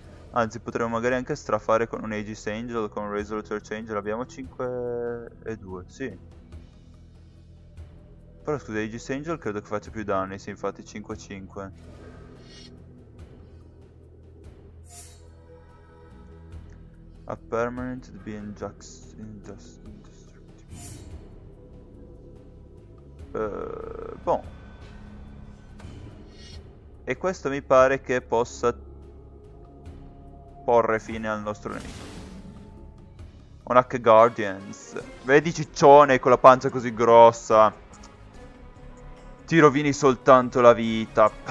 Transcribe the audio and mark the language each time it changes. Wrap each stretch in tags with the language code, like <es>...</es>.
<it>Anzi, potremmo magari anche strafare con un Aegis Angel, con un Resolute Change. Abbiamo 5 e 2, sì. Però scusa, Aegis Angel credo che faccia più danni, sì, infatti 5-5.</it> <en>A permanent being just indestructible.</en> <it>Boh. E questo mi pare che possa porre fine al nostro nemico. Onak Guardians. Vedi ciccione con la pancia così grossa. Ti rovini soltanto la vita.</it>